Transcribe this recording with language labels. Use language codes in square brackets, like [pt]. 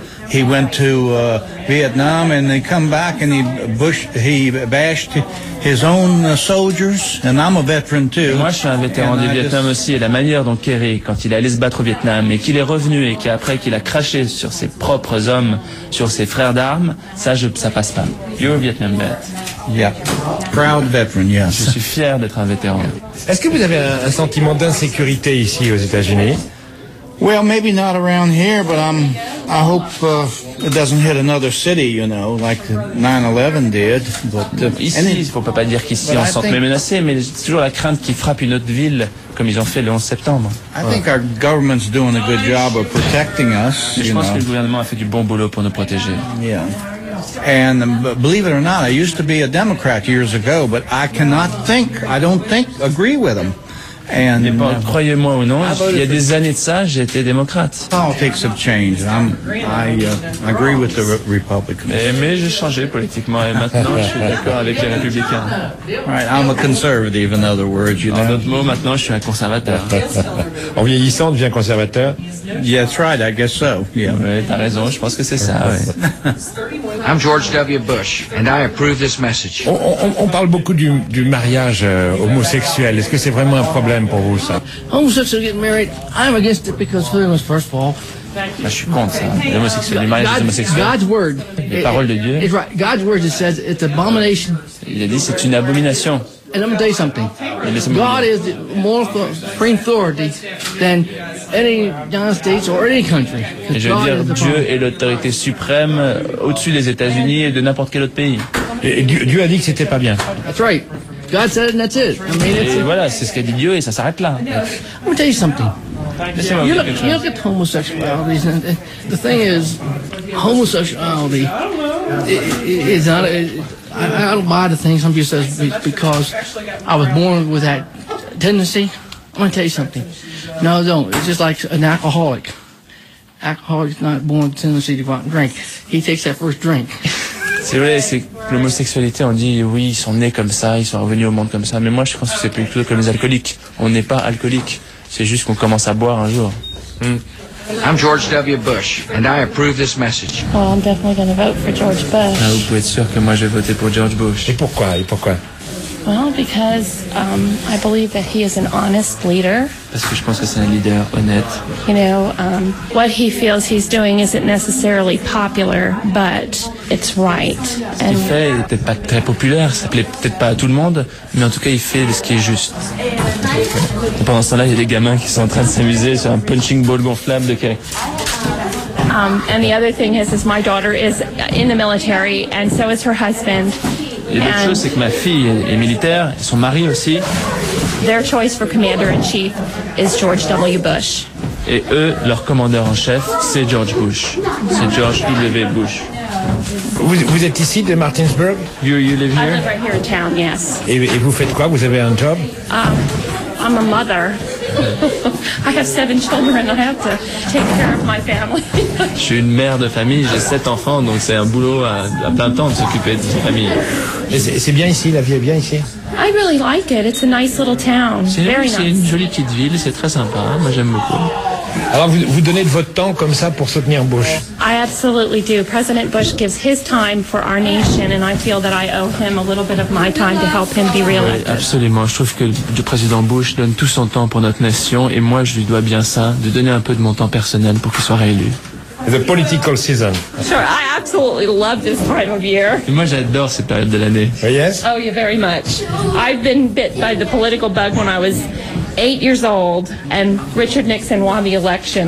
[en] He went to Vietnam and they come back and he bashed his own soldiers. And I'm a veteran too. [fr] Moi, je suis un vétéran du Vietnam aussi. Et la manière dont Kerry, quand il est allé se battre au Vietnam et qu'il est revenu et qu'après qu'il a craché sur ses propres hommes, sur ses frères d'armes, ça passe pas. [en] You're a Vietnam vet. Yeah. Proud veteran, yes. [fr] Je suis fier d'être un vétéran. Est-ce que vous avez un sentiment d'insécurité ici aux États-Unis? [en] Well, maybe not around here, but I hope it doesn't hit another city, you know, like 9/11 did. But [fr] ici, il faut pas dire qu'ici on sente mais menacé, mais c'est toujours la crainte qu'il frappe une autre ville comme ils ont fait le 11 septembre. [en] I think our government's doing a good job of protecting us. [fr] Je pense [en] know. [fr] Que le gouvernement a fait du bon boulot pour nous protéger. [en] Yeah. And believe it or not, I used to be a Democrat years ago, but I cannot think, I don't think, agree with them. [fr] And croyez-moi ou non, il y a des années de ça, j'étais démocrate. [en] Politics have changed. I agree with the Republicans. [fr] Mais j'ai changé politiquement et maintenant je suis d'accord avec les républicains. [en] Right, I'm a conservative, in other words. You know? [fr] En d'autres mots, maintenant je suis un conservateur. En vieillissant, je deviens conservateur. [en] Yeah, that's right, I guess so. Yeah. [fr] Oui, t'as raison, je pense que c'est ça. Ouais. [en] I'm George W. Bush, and I approve this message. [fr] On parle beaucoup du mariage homosexuel. Est-ce que c'est vraiment un problème pour vous, ça? [en] Homosexuals get married. I'm against it because who was first of all? [fr] Je suis contre ça. L'homosexuel, le mariage des homosexuels. [en] God's word. [fr] Les paroles de Dieu. [en] Right. God's word it says it's abomination. [fr] Il a dit c'est une abomination. [en] And let me tell you something. God is more supreme authority than any United States or any country. [fr] Et je veux dire, Dieu est l'autorité suprême au-dessus des États-Unis et de n'importe quel autre pays. Et Dieu a dit que c'était pas bien. [en] That's right. God said it and that's it. I mean, [fr] et voilà, c'est ce qu'a dit Dieu et ça s'arrête là. [en] Let me tell you something. You look at homosexuality, and the thing is, homosexuality is not. I don't buy the thing some people say because I was born with that tendency. I'm going to tell you something. No, don't. It's just like an alcoholic. Alcoholic's not born with a tendency to go out and drink. He takes that first drink. [fr] C'est vrai, c'est l'homosexualité, on dit oui, ils sont nés comme ça, ils sont revenus au monde comme ça. Mais moi, je pense que c'est plutôt comme les alcooliques. On n'est pas alcoolique. C'est juste qu'on commence à boire un jour. [en] I'm George W. Bush, and I approve this message. Well, I'm definitely going to vote for George Bush. [fr] Ah, vous pouvez être sûr que moi, je vais voter pour George Bush. Et pourquoi? [en] Well, because I believe that he is an honest leader. [fr] Parce que je pense que c'est un leader honnête. [en] You know, what he feels he's doing isn't necessarily popular, but it's right. [fr] Ce qu'il fait n'est peut-être pas très populaire, ça plaît peut-être pas à tout le monde, mais en tout cas, il fait ce qui est juste. Et pendant ce temps-là, il y a des gamins qui sont en train de s'amuser sur un punching ball gonflable de Kerry. [en] And the other thing is my daughter is in the military, and so is her husband. [fr] Et l'autre chose, c'est que ma fille est militaire, et son mari aussi. [en] Their choice for commander-in-chief is George W. Bush. [fr] Et eux, leur commandeur en chef, c'est George Bush. C'est George W. Bush. Vous êtes ici de Martinsburg? [en] You live here? I live right here in town, yes. [fr] Et vous faites quoi? Vous avez un job? [en] I'm a mother. I have 7 children and I have to take care of my family. [fr] Je suis une mère de famille, j'ai 7 enfants, donc c'est un boulot à plein temps de s'occuper de sa famille. Et c'est bien ici, la vie est bien ici? [en] I really like it, it's a nice little town. [fr] C'est une jolie petite ville, c'est très sympa, moi j'aime beaucoup. Alors vous donnez de votre temps comme ça pour soutenir Bush? [en] I absolutely do. President Bush gives his time for our nation and I feel that I owe him a little bit of my time to help him be reelected. [fr] Oui, absolument. Je trouve que le président Bush donne tout son temps pour notre nation et moi je lui dois bien ça, de donner un peu de mon temps personnel pour qu'il soit réélu. [en] The political season. Sure, I absolutely love this time of year. [fr] Et moi j'adore cette période de l'année. [en] Oh, yes? Oh, yeah, very much. I've been bit by the political bug when I was 8 years old and Richard Nixon won the election.